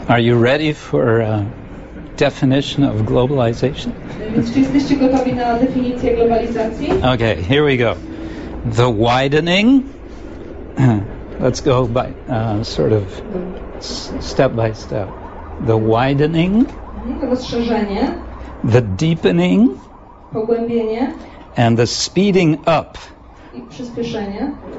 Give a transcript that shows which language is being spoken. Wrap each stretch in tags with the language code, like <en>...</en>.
<en>Are you ready for a definition of globalization?</en> <pl>Więc czy jesteście gotowi na definicję globalizacji?</pl> <en>Okay, here we go. The widening. Let's go by sort of step by step. The widening.</en> <pl>Rozszerzenie.</pl> <en>The deepening.</en> <pl>Pogłębienie.</pl> <en>And the speeding up</en> <pl>I przyspieszenie</pl>